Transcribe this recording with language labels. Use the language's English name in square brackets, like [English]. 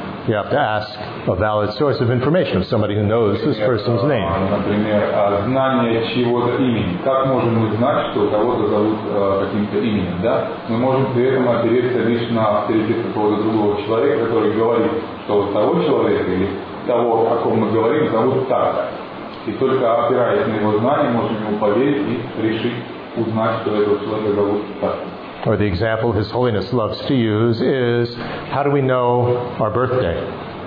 [English] You have to ask a valid source of information of somebody who knows this person's name. [Russian] И только опираясь на его знания, можем ему поверить и решить. узнать, что этого человека зовут так. [English] Or the example His Holiness loves to use is, how do we know our birthday?